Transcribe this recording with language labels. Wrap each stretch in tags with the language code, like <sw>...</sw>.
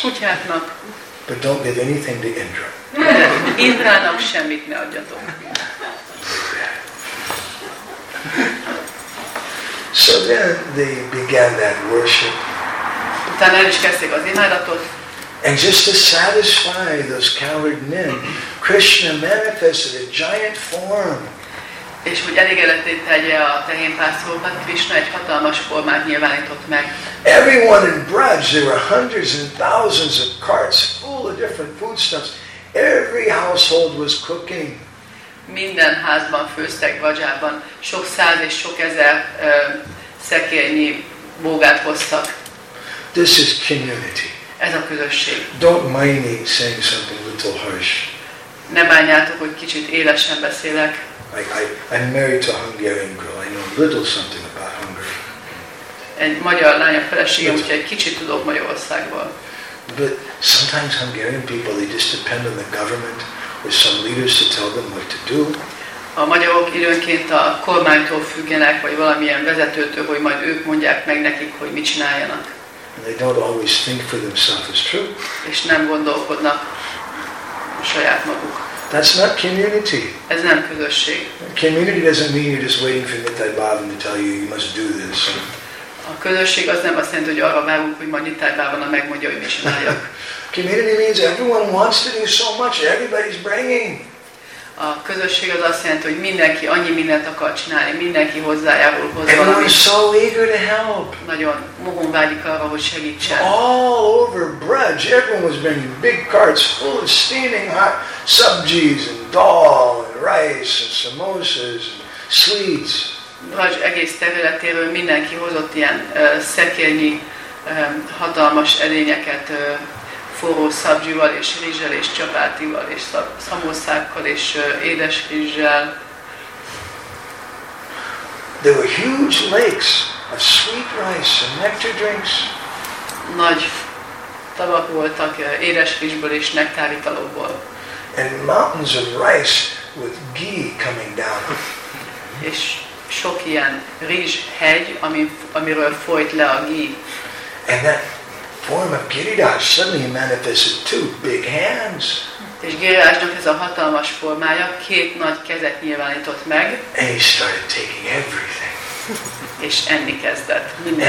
<hu>Kutyáknak.</hu> <en>But don't give anything to Indra.</en> <hu>Indrának semmit ne adjatok.</hu> <en>So then they began that worship.</en> <hu>Utána el is kezdték az imádatot.</hu> <en>And just to satisfy those coward men, Krishna manifested a giant form.</en> <hu>És hogy elégedetté tegye a tehénpásztorokat, Krishna egy hatalmas formát nyilvánított meg.</hu> <en>Everyone in Braj, there were hundreds and thousands of carts full of different foodstuffs. Every household was cooking.</en> <hu>Minden házban főztek Brajában, sok száz és sok ezer szekérnyi bógát hoztak.</hu> <en>This is community.</en> <hu>Ez a közösség.</hu> <en>Don't mind me saying something a little harsh.</en> <hu>Ne bánjátok, hogy kicsit élesen beszélek.</hu> <en>I'm married to a Hungarian girl. I know a little something about Hungary.</en> <hu>Egy magyar lánya feleségem, úgyhogy egy kicsit tudok Magyarországból.</hu> <en>But sometimes Hungarian people, they just depend on the government or some leaders to tell them what to do.</en> <hu>A magyarok időnként a kormánytól függenek, vagy valamilyen vezetőtől, hogy majd ők mondják meg nekik, hogy mit csináljanak.</hu> <en>And they don't always think for themselves, it's true.</en> <hu>És nem gondolkodnak saját maguk.</hu> <en>That's not community.</en> <hu>Ez nem közösség.</hu> <en>Community doesn't mean you're just waiting for Nittai Bhavan to tell you you must do this.</en> <hu>A közösség az nem azt jelenti, hogy arra várunk, hogy majd Nittai Bhavan megmondja, hogy mi csináljak.</hu> <en>Community means everyone wants to do so much, everybody's bringing.</en> <hu>A közösség az azt jelenti, hogy mindenki annyi mindent akar csinálni, mindenki hozzájárul hozzá.</hu> <en>Everyone is so eager to help.</en> <hu>Nagyon mohon vágyik arra, hogy segítsen.</hu> <en>All over Braj, everyone was bringing big carts full of steaming hot sabjis and dal and rice and samosas and sweets.</en> <hu>Braj egész területéről mindenki hozott ilyen szekérnyi hatalmas edényeket, forró szabjival és rizssel és csapátival és szamoszákkal és édes rizssel.</hu> <en>There were huge lakes of sweet rice and nectar drinks.</en> <hu>Nagy tavak voltak édes rizsből és nektáritalokból.</hu> <en>And mountains of rice with ghee coming down.</en> <hu>És sok ilyen rizs hegy, amiről folyt le a ghee.</hu> <en>And that form of Giridhar suddenly manifested two big hands.</en> <hu>És Giridhárnak ez a hatalmas formája két nagy kezet nyilvánított meg.</hu> <en>And he started taking everything.</en> <hu>És enni kezdett mindent.</hu>